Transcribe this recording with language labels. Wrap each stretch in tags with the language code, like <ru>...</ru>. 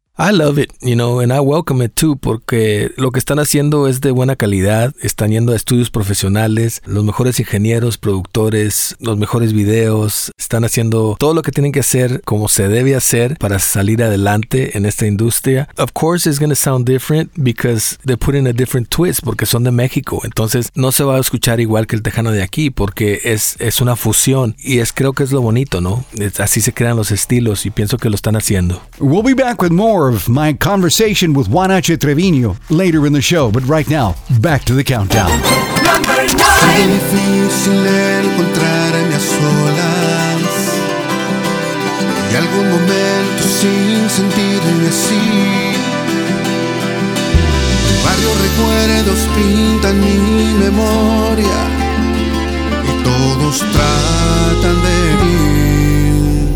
<es>I love it, you know, and I welcome it too, porque lo que están haciendo es de buena calidad, están yendo a estudios profesionales, los mejores ingenieros, productores, los mejores videos, están haciendo todo lo que tienen que hacer como se debe hacer para salir adelante en esta industria. Of course it's going to sound different because they put in a different twist, porque son de México, entonces no se va a escuchar igual que el tejano de aquí, porque es una fusión, y es creo que es lo bonito, ¿no? Es, así se crean los estilos, y pienso que lo están haciendo.</es> <en>We'll be back with more of my conversation with Juan H. Treviño later in the show, but right now, back to the countdown.</en> <es>Fue difícil encontrarme a solas y algún momento sin sentirme así. Varios recuerdos pintan mi memoria y todos tratan de mí.</es>